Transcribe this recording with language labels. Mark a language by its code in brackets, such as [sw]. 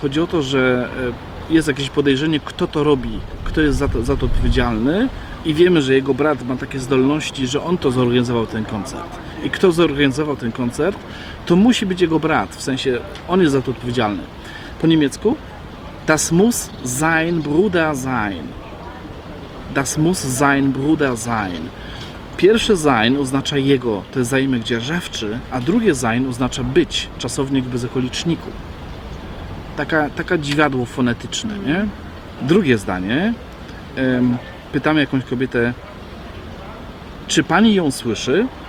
[pl] Chodzi o to, że jest jakieś podejrzenie, kto to robi, kto jest za to odpowiedzialny i wiemy, że jego brat ma takie zdolności, że on to zorganizował, ten koncert. I kto zorganizował ten koncert, to musi być jego brat, w sensie on jest za to odpowiedzialny. Po niemiecku? [de] Das muss sein Bruder sein. Das muss sein Bruder sein. [pl] Pierwsze sein oznacza jego, to jest zaimek dzierżawczy, a drugie sein oznacza być, czasownik bez okoliczniku. Taka dziwadło fonetyczne, nie? Drugie zdanie. Pytamy jakąś kobietę, czy pani ją słyszy?